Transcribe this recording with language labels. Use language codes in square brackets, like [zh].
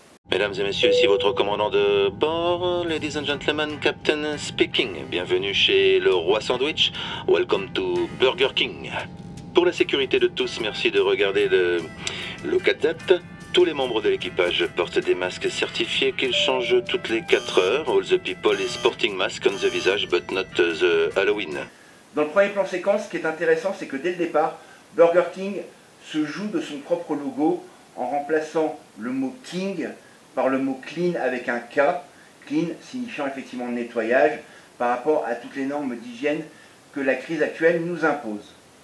[fr] Mesdames et messieurs, ici votre commandant de bord, [en] ladies and gentlemen, captain speaking. [fr] Bienvenue chez le Roi Sandwich, [en] welcome to Burger King. [fr] Pour la sécurité de tous, merci de regarder le 4DAT. Tous les membres de l'équipage portent des masques certifiés qu'ils changent toutes les 4 heures. [en] All the people is sporting masks on the visage, but not the Halloween. [fr] Dans le premier plan séquence, ce qui est intéressant, c'est que dès le départ, Burger King se joue de son propre logo en remplaçant le mot « King » par le mot « clean » avec un « K », « clean » signifiant effectivement le nettoyage, par rapport à toutes les normes d'hygiène que la crise actuelle nous impose.